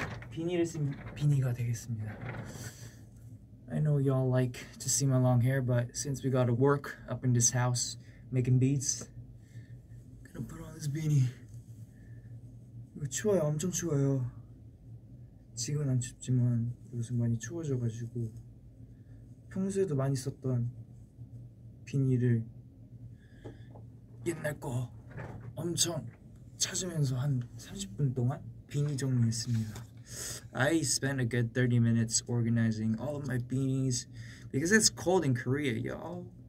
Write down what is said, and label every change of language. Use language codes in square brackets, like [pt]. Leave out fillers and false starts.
[ko] 비니를 쓴 비니가 되겠습니다. [en] I know y'all like to see my long hair, but since we gotta work up in this house making beats, gonna put on this beanie. [ko] 추워요, 엄청 추워요. 지금은 안 춥지만 요새 많이 추워져가지고 평소에도 많이 썼던 비니를 옛날 거 엄청 찾으면서 한 30분 동안 비니 정리했습니다. [en] I spent a good 30 minutes organizing all of my beanies because it's cold in Korea, y'all.